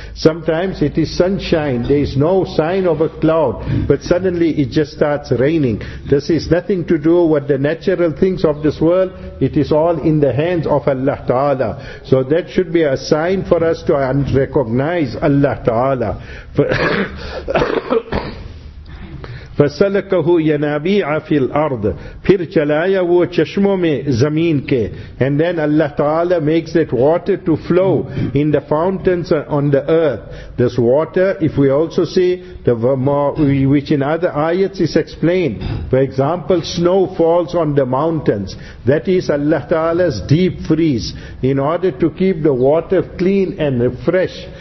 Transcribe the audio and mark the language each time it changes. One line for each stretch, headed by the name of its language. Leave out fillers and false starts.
English: Sometimes it is sunshine, there is no sign of a cloud, but suddenly it just starts raining. This is nothing to do with the natural things of this world. It is all in the hands of Allah Ta'ala. So that should be a sign for us to recognize Allah Ta'ala.
Arabic: فَسَلَكَهُ يَنَابِيعَ فِي الْأَرْضِ
Urdu: پھر چلایا وہ چشموں میں زمین کے.
English: And then Allah Ta'ala makes that water to flow in the fountains on the earth. This water, if we also see, which in other ayats is explained. For example, snow falls on the mountains. That is Allah Ta'ala's deep freeze in order to keep the water clean and fresh.